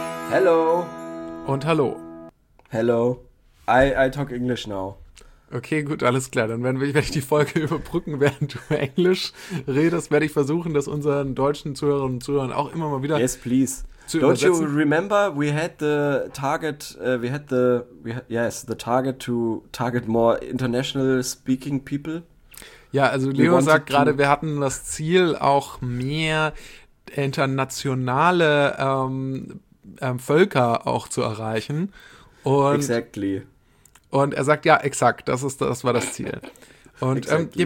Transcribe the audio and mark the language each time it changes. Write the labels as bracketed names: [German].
[English] Hello. [German] Und hallo. [English] Hello. I talk English now. [German] Okay, gut, alles klar. Dann werde ich die Folge überbrücken, während du Englisch redest, werde ich versuchen, das unseren deutschen Zuhörerinnen und Zuhörern auch immer mal wieder. [English] Yes, please. Don't you remember we had the target to target more international speaking people? [German] Ja, also Leo sagt gerade, wir hatten das Ziel, auch mehr internationale Völker auch zu erreichen. [English] Exactly. [German] Und er sagt, ja, exakt, das war das Ziel. Und exactly.